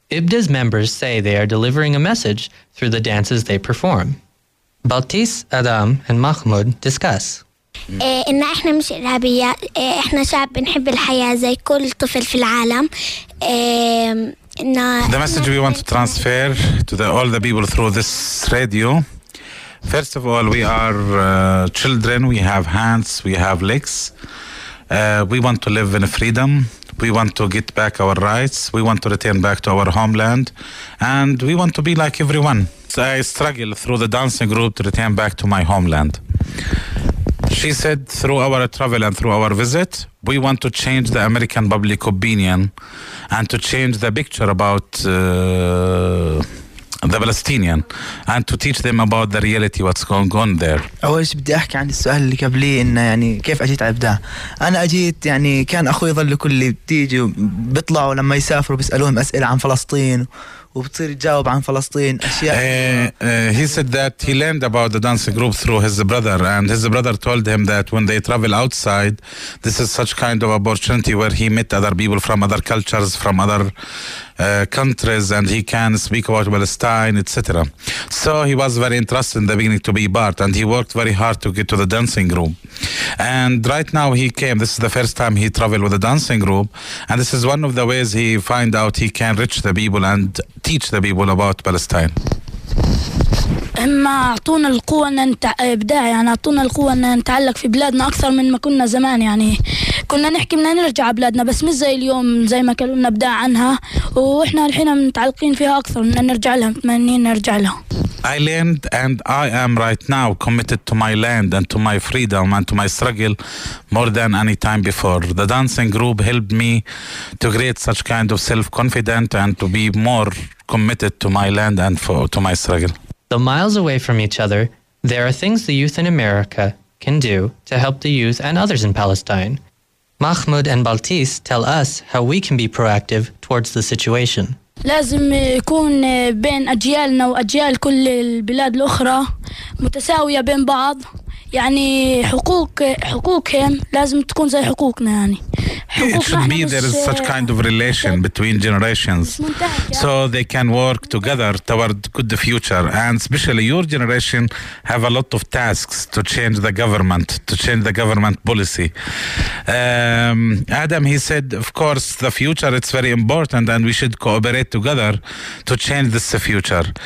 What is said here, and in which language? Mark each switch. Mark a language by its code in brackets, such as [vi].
[en] Ibda's members say they are delivering a message through the dances they perform. Baltis, Adam, and Mahmoud discuss. [ar] إن إحنا مش إرهابية إحنا شعب بنحب الحياة زي كل طفل في العالم [en] The message we want to transfer to the, all the people through this radio. First of all, we are children. We have hands. We have legs. We want to live in freedom. We want to get back our rights. We want to return back to our homeland. And we want to be like everyone. So I struggle through the dancing group to return back to my homeland. She said through our travel and through our visit, we want to change the American public opinion and to change the picture about the Palestinian and to teach them about the reality what's going on there. [ar] أول شيء بدي أحكي عن السؤال اللي قبلي إن يعني كيف أجيت على إبداع أنا أجيت يعني كان أخوي يظل كل اللي بتيجي بيطلعوا لما يسافروا بيسألوهم أسئلة عن فلسطين وبتصير يجاوب عن فلسطين أشياء [en] He said that he learned about the dance group through his brother and his brother told him that when they travel outside this is such kind of opportunity where he met other people from other cultures from other countries and he can speak about Palestine etc. So he was very interested in the beginning to be part and he worked very hard to get to the dancing group and right now he came this is the first time he traveled with the dancing group and this is one of the ways he find out he can reach the people and teach the people about Palestine [ar] إما أعطونا القوة أن نبدع يعني أعطونا القوة أن نتعلق في بلادنا أكثر من ما كنا زمان يعني كنا نحكي من نرجع بلادنا بس مش زي اليوم زي ما قالوا نبدع عنها وإحنا الحين متعلقين فيها أكثر من نرجع لها متمنين نرجع لها [en] I learned and I am right now committed to my land and to my freedom and to my struggle more than any time before. The dancing group helped me to create such kind of self-confidence and to be more committed to my land and for, to my struggle. So miles away from each other, there are things the youth in America can do to help the youth and others in Palestine. Mahmoud and Baltis tell us how we can be proactive towards the situation. [ar] لازم يكون بين أجيالنا وأجيال كل البلاد الأخرى متساوية بين بعض يعني حقوقهم لازم تكون زي حقوقنا يعني [en] It should be there is such kind of relation between generations so they can work together toward good future. And especially your generation have a lot of tasks to change the government, to change the government policy. Adam, he said, of course, the future, it's very important and we should cooperate together to change this future.